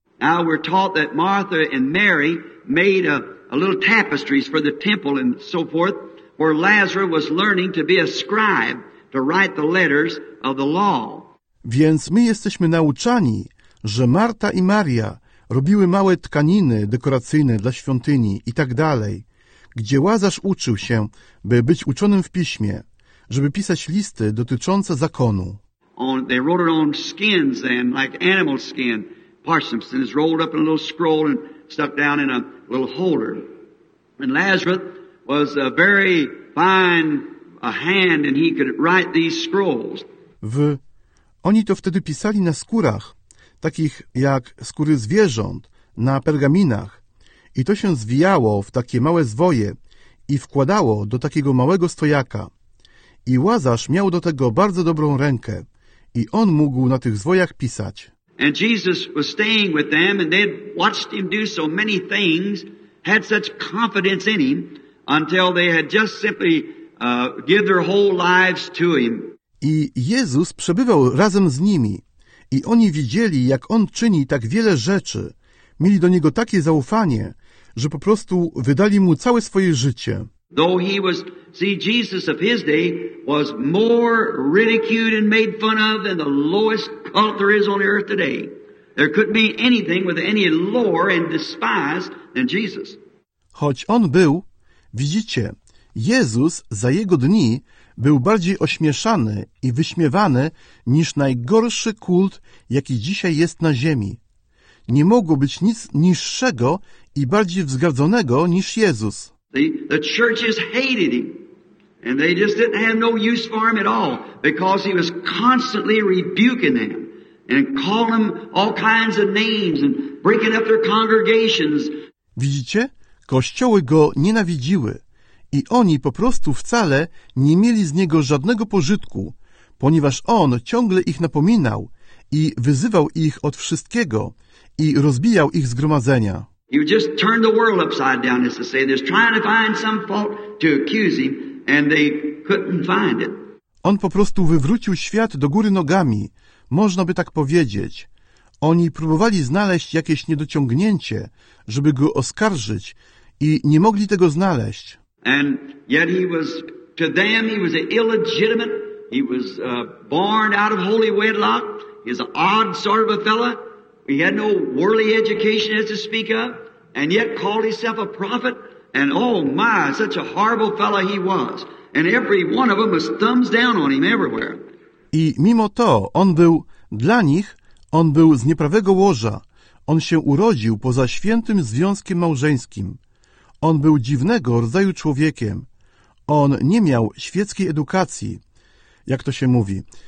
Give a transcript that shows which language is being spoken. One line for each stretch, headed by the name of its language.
English: Now we're taught that Martha and Mary made a little tapestries for the temple and so forth, where Lazarus was learning to be a scribe to write the letters of the law.
Polish: Więc my jesteśmy nauczani, że Marta i Maria robiły małe tkaniny dekoracyjne dla świątyni i tak dalej, gdzie Łazarz uczył się, by być uczonym w piśmie, żeby pisać listy dotyczące zakonu.
English: They wrote it on skins then, like animal skin. Parchments, and it's rolled up in a little scroll and stuck down in a little holder. And Lazarus was a very fine hand, and he could write these scrolls.
Polish: Oni to wtedy pisali na skórach, takich jak skóry zwierząt, na pergaminach. I to się zwijało w takie małe zwoje i wkładało do takiego małego stojaka. I Łazarz miał do tego bardzo dobrą rękę i on mógł na tych zwojach pisać.
English: And Jesus was staying with them and they'd watched him do so many things, had such confidence in him, until they had just simply give their whole lives to him.
Polish: I Jezus przebywał razem z nimi. I oni widzieli, jak On czyni tak wiele rzeczy. Mieli do Niego takie zaufanie, że po prostu wydali Mu całe swoje życie.
English: Though he was, see, Jesus of his day was more ridiculed and made fun of than the lowest cult there is on earth today. There couldn't be anything with any lower and despised than Jesus.
Polish: Choć On był, widzicie, Jezus za Jego dni był bardziej ośmieszany i wyśmiewany niż najgorszy kult, jaki dzisiaj jest na ziemi. Nie mogło być nic niższego i bardziej wzgardzonego niż Jezus.
English: The churches hated him, and they just didn't have no use for him at all, because he was constantly rebuking them and calling them all kinds of names and breaking up their congregations.
Polish: Widzicie? Kościoły go nienawidziły. I oni po prostu wcale nie mieli z Niego żadnego pożytku, ponieważ On ciągle ich napominał i wyzywał ich od wszystkiego i rozbijał ich zgromadzenia.
English: You just turn the world upside down, as they say. They're trying to find some fault to accuse him, and they couldn't find it.
Polish: On po prostu wywrócił świat do góry nogami, można by tak powiedzieć. Oni próbowali znaleźć jakieś niedociągnięcie, żeby go oskarżyć i nie mogli tego znaleźć.
English: And yet he was, to them, he was illegitimate. He was born out of holy wedlock. He's an odd sort of a fella. He had no worldly education as to speak of, and yet called himself a prophet. And oh my, such a horrible fella he was. And every one of them was thumbs down on him everywhere.
Polish: I mimo to, on był dla nich, on był z nieprawego łoża. On się urodził poza świętym związkiem małżeńskim. On był dziwnego rodzaju człowiekiem. On nie miał świeckiej edukacji, jak to się mówi.